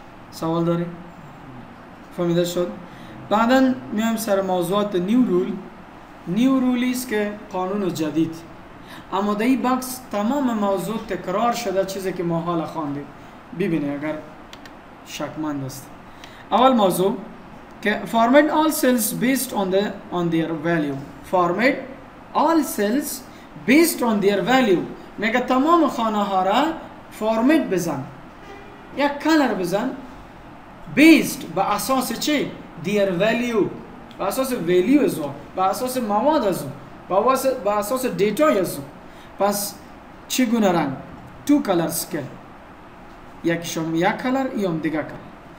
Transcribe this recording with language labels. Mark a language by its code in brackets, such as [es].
[fa] سوال داری؟ فهمیده شد؟ بعدا میایم سر موضوعات نیو رول. نیو رول است که قانون جدید، اما در این بخش تمام موضوع تکرار شده چیزی که ما حالا خواندیم. ببینه اگر شکمند است. اول موضوع که [en] format all cells based on their value. Format all cells based on their value. [fa] میگه تمام خانه ها را format بزن. یا color بزن. Based با اساس چی؟ [en] Their value. [fa] با اساس value ازو. با اساس مواد ازو. با اساس data ازو. پس چی گونه رنگ؟ [en] Two colors [fa] که. یک شم یک color یا دیگه color.